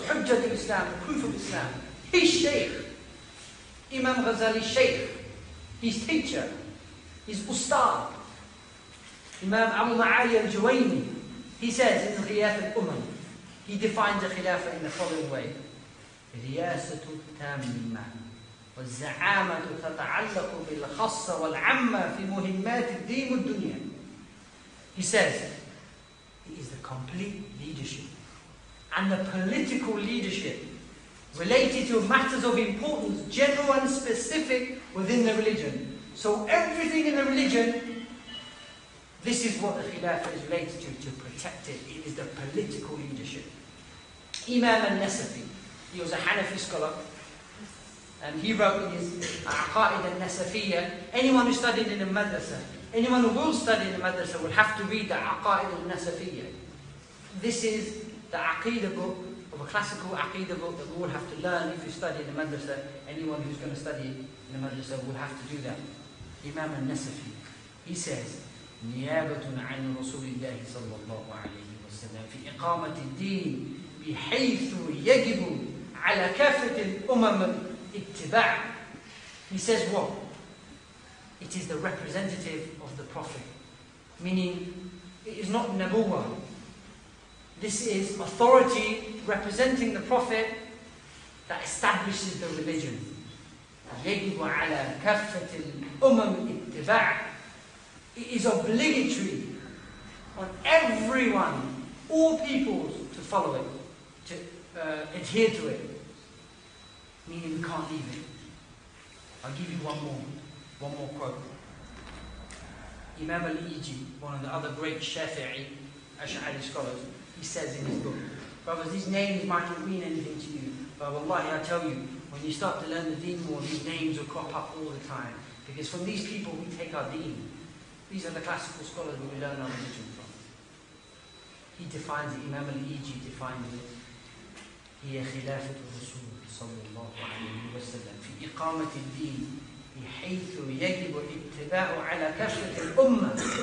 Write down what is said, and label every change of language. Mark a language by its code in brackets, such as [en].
[en] Hujjat al-Islam, proof of Islam. He's Shaykh. Imam Ghazali, Shaykh. He's teacher. He's ustad. Imam Abu Ma'ali al-Juwaini. He says in Ghiyath al-Umam, he defines the Khilafah in the following way. [ar] Ghiyasatu tamimah. والزعامة تتعلق بالخص والعمة في مهمات الدين والدنيا. [en] He says, it is the complete leadership and the political leadership related to matters of importance, general and specific within the religion. So everything in the religion, this is what the Khilafah is related to protect it. It is the political leadership. Imam al-Nasafi, he was a Hanafi scholar. And he wrote in his Aqaid al-Nasafiyya, anyone who studied in a madrasa, anyone who will study in a madrasa will have to read the Aqaid al-Nasafiyya. This is the Aqidah book, of a classical Aqidah book that we will have to learn if you study in a madrasa. Anyone who's going to study in a madrasa will have to do that. Imam al-Nasafi, he says, [ar] نِيَابَةٌ عَنْ رَسُولِ اللَّهِ صَلَّى اللَّهُ عَلَيْهِ وَسَلَّمَ فِي إِقَامَةِ الدِّينِ بِحَيْثُ يَجِبُ عَلَى كَافَةِ الْأُمَمِ. [en] Ittiba'. He says what? It is the representative of the Prophet. Meaning, it is not Nabuwa. This is authority representing the Prophet that establishes the religion. [ar] يجب على كافة الأمم اتباع. [en] It is obligatory on everyone, all peoples, to follow it, to adhere to it. Meaning we can't leave it. I'll give you one more quote. Imam Al-Iji, one of the other great Shafi'i Ash'ari scholars, he says in his book, brothers, these names might not mean anything to you, but wallahi, I tell you, when you start to learn the deen more, these names will crop up all the time. Because from these people we take our deen. These are the classical scholars we learn our religion from. He defines it, Imam Al-Iji defines it. [ar] هي خلافة الرسول صلى الله عليه وسلم في إقامة الدين بحيث يجب اتباع على كافة الأمة.